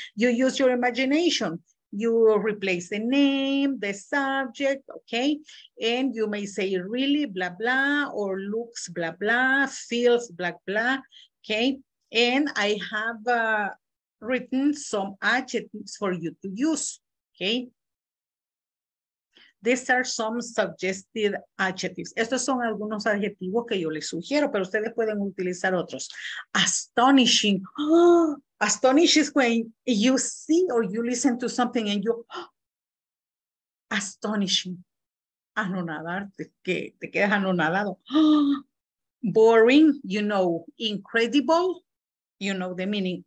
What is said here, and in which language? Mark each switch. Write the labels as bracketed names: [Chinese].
[English] You use your imagination. You replace the name, the subject, okay? And you may say really blah, blah, or looks blah, blah, feels blah, blah, okay? And I have written some adjectives for you to use, okay? These are some suggested adjectives. [Spanish] Estos son algunos adjetivos que yo les sugiero, pero ustedes pueden utilizar otros. [English] Astonishing. Oh, astonishing is when you see or you listen to something and you... [Spanish] Oh, astonishing. Anonadarte, que te quedas anonadado. [English] Oh, boring, you know. Incredible, you know the meaning.